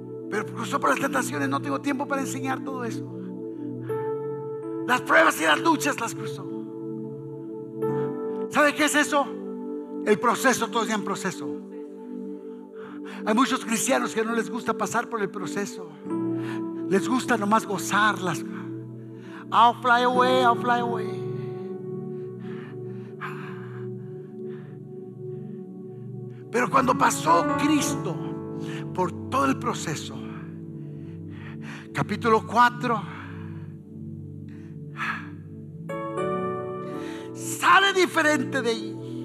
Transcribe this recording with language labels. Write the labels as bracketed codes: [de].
[es] Pero cruzó por las tentaciones, no tengo tiempo para enseñar todo eso. Las pruebas y las luchas las cruzó. ¿Sabe qué es eso? El proceso, todos ya en proceso. Hay muchos cristianos que no les gusta pasar por el proceso. Les gusta nomás gozarlas. [en] I'll fly away, I'll fly away. [es] Pero cuando pasó Cristo por todo el proceso. Capítulo 4. Sale diferente de ahí.